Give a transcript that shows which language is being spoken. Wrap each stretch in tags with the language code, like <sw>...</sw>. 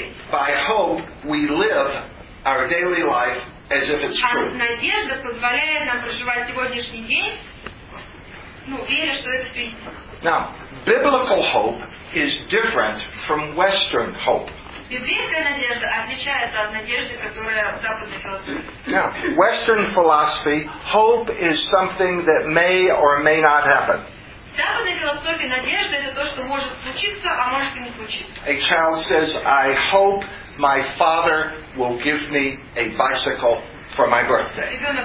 <en>By hope we live our daily life as if it's true.</en> <ru>Надежда позволяет нам проживать сегодняшний день, веря, что это все истина.</ru> <en>Now, biblical hope is different from Western hope.</en> <ru>Библейская надежда отличается от надежды, которая в западной философии.</ru> <en>Now, Western philosophy, hope is something that may or may not happen.</en> <ru>В западной философии надежда это то, что может случиться, а может и не случиться.</ru> <en>A child says, "I hope my father will give me a bicycle for my birthday."</en>